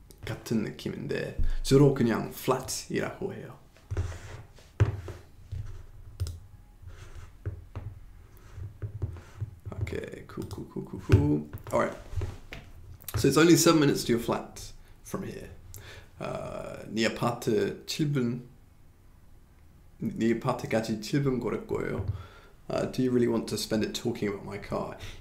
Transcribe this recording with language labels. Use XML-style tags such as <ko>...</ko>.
<ko>같은 느낌인데 주로 그냥 flat이라고 해요. 오케이, 쿠쿠쿠쿠쿠.</ko> <en>Alright. So it's only 7 minutes to your flat from here.</en> <ko>네 아파트 7분. 네 아파트까지 7분 걸을 거예요.</ko> <en>Do you really want to spend it talking about my car?</en>